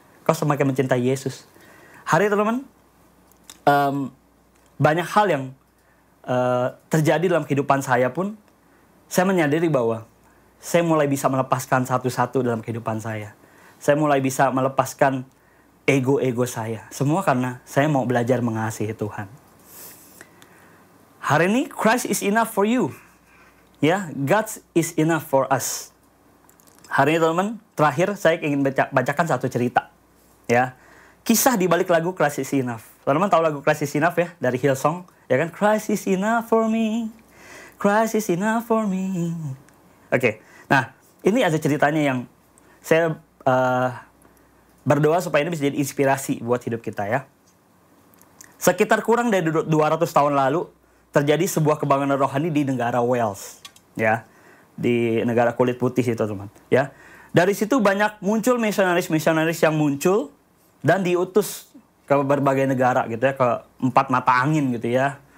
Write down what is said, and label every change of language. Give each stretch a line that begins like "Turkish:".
Indonesian: Engkau semakin mencintai Yesus. Hari, teman-teman, banyak hal yang terjadi dalam kehidupan saya pun, saya menyadari bahwa saya mulai bisa melepaskan satu-satu dalam kehidupan saya. Saya mulai bisa melepaskan ego-ego saya. Semua karena saya mau belajar mengasihi Tuhan. Hari ini,
English: Christ is enough for you. Ya, God is enough for us.
Indonesian: Hari ini, teman-teman, terakhir saya ingin bacakan satu cerita. Ya, kisah di balik lagu Christ is enough. Teman-teman tahu lagu Christ is enough ya, dari Hillsong. Ya kan,
English: Christ is enough for me. Christ is enough for me. Oke.
Indonesian: Nah, ini ada ceritanya yang saya berdoa supaya ini bisa jadi inspirasi buat hidup kita ya. Sekitar kurang dari 200 tahun lalu, terjadi sebuah kebangunan rohani di negara Wales. Ya, di negara kulit putih itu, teman-teman. Ya. Dari situ banyak muncul misionaris-misionaris yang muncul dan diutus ke berbagai negara gitu ya, ke empat mata angin gitu ya.